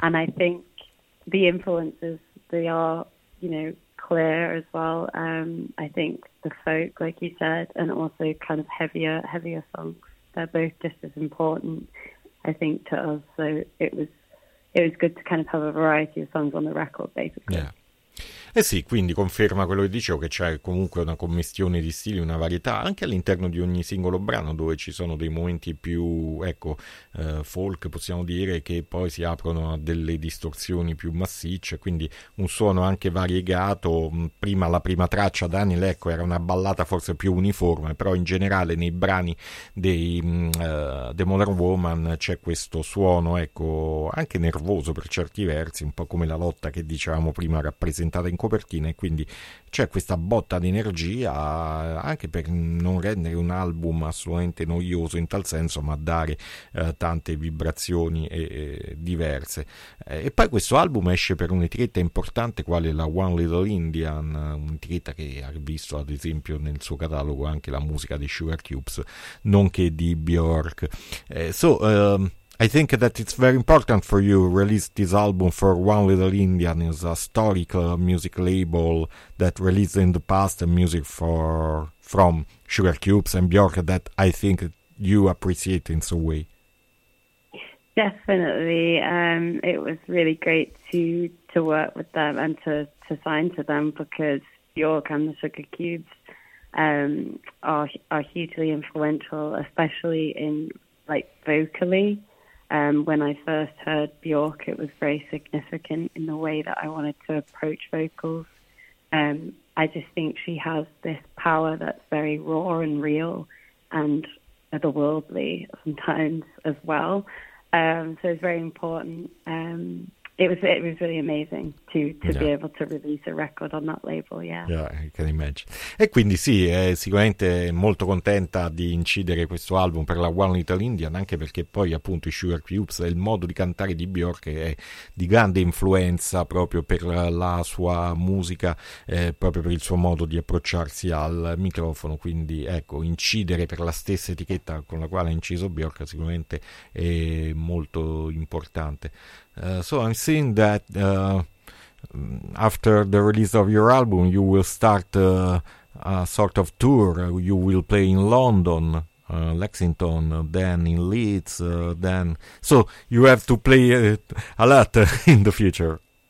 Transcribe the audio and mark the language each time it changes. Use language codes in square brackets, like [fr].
[en] And I think the influences, they are, you know, clear as well. I think the folk, like you said, and also kind of heavier songs, they're both just as important, I think, to us. So it was good to kind of have a variety of songs on the record, basically. Yeah. [it] Eh sì, quindi conferma quello che dicevo, che c'è comunque una commistione di stili, una varietà anche all'interno di ogni singolo brano, dove ci sono dei momenti più, ecco, folk, possiamo dire, che poi si aprono a delle distorsioni più massicce, quindi un suono anche variegato. Prima, la prima traccia, Daniel, ecco, era una ballata forse più uniforme, però in generale nei brani dei The Modern Woman c'è questo suono, ecco, anche nervoso per certi versi, un po' come la lotta che dicevamo prima rappresentata in copertina, e quindi c'è questa botta di energia anche per non rendere un album assolutamente noioso in tal senso, ma dare tante vibrazioni diverse. E poi questo album esce per un'etichetta importante quale la One Little Indian, un'etichetta che ha visto ad esempio nel suo catalogo anche la musica di Sugar Cubes, nonché di Björk. [en] I think that it's very important for you release this album for One Little Indian. It's a historic music label that released in the past music from Sugar Cubes and Björk that I think you appreciate in some way. Definitely. It was really great to work with them and to sign to them, because Björk and the Sugar Cubes are hugely influential, especially in, like, vocally. When I first heard Björk, it was very significant in the way that I wanted to approach vocals. I just think she has this power that's very raw and real and otherworldly sometimes as well. So it's very important. It was really amazing to be able to release a record on that label, yeah. Yeah, I can imagine. [it] E quindi sì, è sicuramente molto contenta di incidere questo album per la One Little Indian, anche perché poi appunto i Sugar Cubes e il modo di cantare di Björk è di grande influenza proprio per la sua musica, proprio per il suo modo di approcciarsi al microfono. Quindi ecco, incidere per la stessa etichetta con la quale ha inciso Björk sicuramente è molto importante. [en] So I'm seeing that after the release of your album, you will start a sort of tour. You will play in London, Lexington, then in Leeds, then. So you have to play a lot in the future.